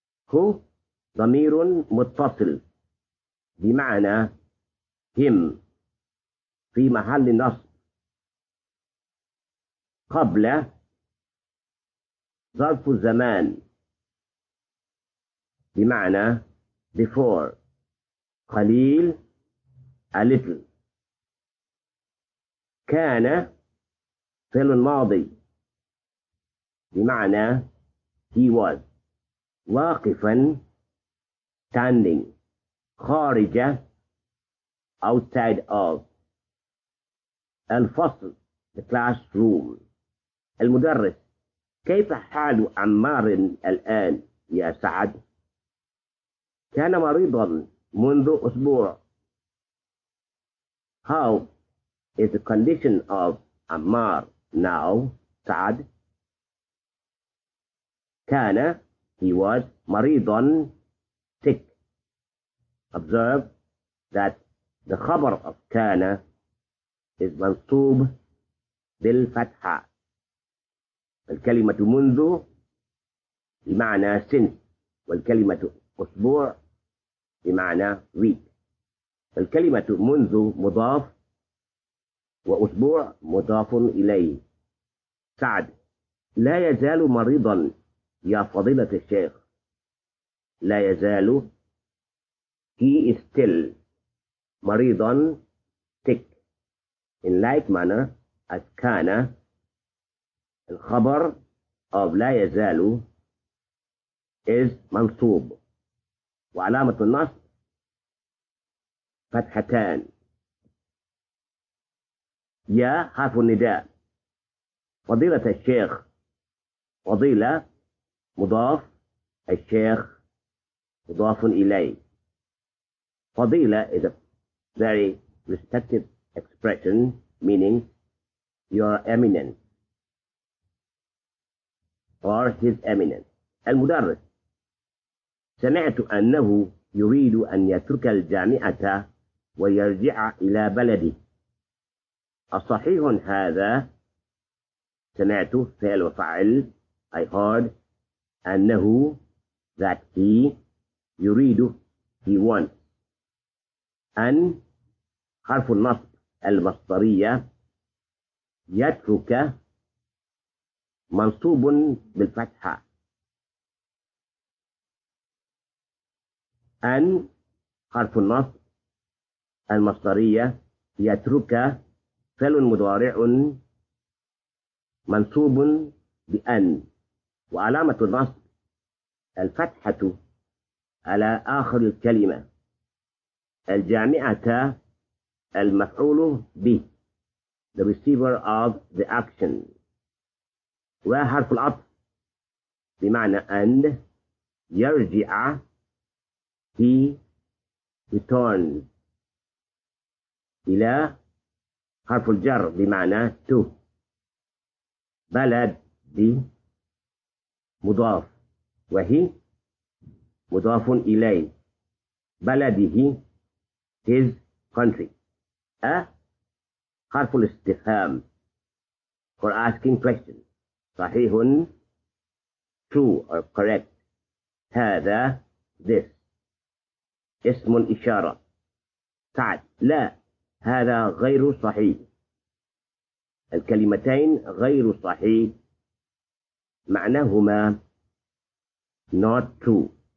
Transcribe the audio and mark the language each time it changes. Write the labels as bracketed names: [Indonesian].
[Arabic] هو ضمير متصل بمعنى him في محل نصب. قبل ظرف الزمان بمعنى before. [English] قليل a little. [Arabic] كان فعل ماضي بمعنى [English] he was. [Arabic] واقفا standing. [English] خارج outside of. الفصل the classroom. [Arabic] المدرس كيف حال عمار الآن يا سعد؟ كان مريضا منذ أسبوع. [English] How is the condition of Ammar now, Saad? كان he was مريضا sick. Observe that the خبر of كان is [Arabic] منصوب بالفتحة. الكلمة منذ بمعنى since والكلمة أسبوع بمعنى week. الكلمة منذ مضاف وأسبوع مضاف إليه. سعد لا يزال مريضا يا فضيلة الشيخ. لا يزال [English] he is still مريضا sick. In like manner as [Arabic] كان الخبر of لا يزال is منصوب وعلامة النصب فتحتان. يا حرف النداء. فضيلة الشيخ. فضيلة مضاف الشيخ مضاف إليه. [English] فضيلة is a very respected expression meaning your eminence or his eminence. [Arabic] المدرس سمعت أنه يريد أن يترك الجامعة ويرجع إلى بلده. أصحيح هذا؟ سمعت فعل وفعل. [English] I heard أنه that he يريد he wants. [Arabic] أن حرف النصب المصدرية يترك منصوب بالفتحة. أن حرف النصب المصدرية يترك فعل مضارع منصوب بأن وعلامة النصب الفتحة على آخر الكلمة. الجامعة المفعول به. [English] The receiver of the action. [Arabic] وحرف العطف بمعنى أن يرجع [English] he returns [Arabic] إلى حرف الجر بمعنى to. بلد دي مضاف وهي مضاف إليه. [English] بلده his country. [Arabic] أ حرف الاستفهام [English] for asking question. صحيح true or correct. [Arabic] هذا this اسم الإشارة. سعد لا هذا غير صحيح. الكلمتين غير صحيح معناهما [English] not true.